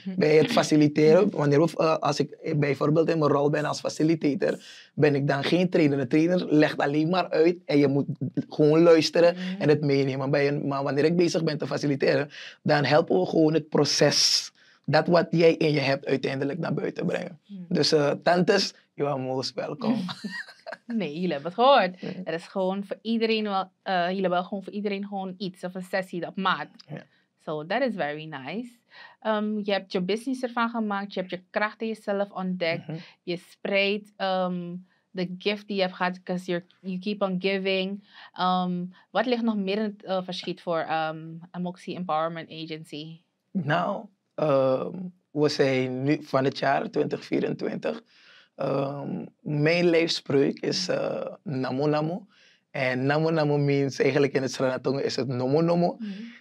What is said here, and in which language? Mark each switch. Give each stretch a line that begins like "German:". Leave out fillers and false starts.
Dutch: Bij het faciliteren, als ik bijvoorbeeld in mijn rol ben als facilitator, ben ik dan geen trainer. De trainer legt alleen maar uit en je moet gewoon luisteren en het meenemen. Maar wanneer ik bezig ben te faciliteren, dan helpen we gewoon het proces. Dat wat jij in je hebt uiteindelijk naar buiten brengen. Dus tantes,
English: you are most welcome.
Dutch: Nee, jullie hebben het gehoord. Er is gewoon voor iedereen wel, jullie hebben gewoon voor iedereen gewoon iets of een sessie op maat. Ja.
English: So that is very nice.
Dutch: Je hebt je business ervan gemaakt. Je hebt je kracht in jezelf ontdekt. Mm-hmm. Je spreidt de gift die je hebt gehad.
English: Because you keep on giving.
Dutch: Wat ligt nog meer in het verschiet voor Amoxie Empowerment Agency? Nou, we zijn nu van het jaar 2024. Mijn lijfspreuk is namo namo. En namo namo means eigenlijk in het Sranatonga is het nomo nomo. Mm-hmm.